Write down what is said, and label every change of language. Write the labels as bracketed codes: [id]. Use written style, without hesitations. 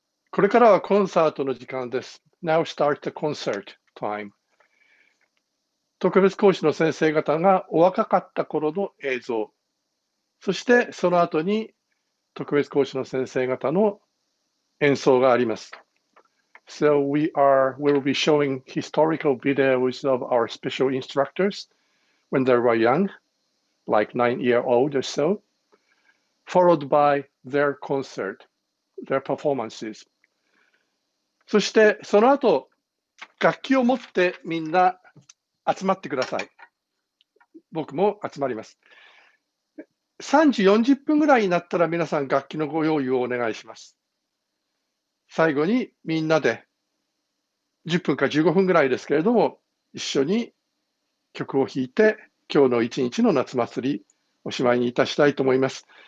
[ja] これからはコンサートの時間です。 [en] Now start the concert time。 [ja] 特別講師の先生方がお若かった頃の映像、そしてその後に特別講師の先生方の演奏があります。 [en] So we'll be showing historical videos of our special instructors when they were young, like 9 year old or so, followed by their concert, their performances. [ja] そしてその後、楽器を持ってみんな集まってください。僕も集まります。3時40分ぐらいになったら皆さん楽器のご用意をお願いします。最後にみんなで10分か15分ぐらいですけれども、一緒に曲を弾いて、今日の一日の夏祭り、おしまいにいたしたいと思います。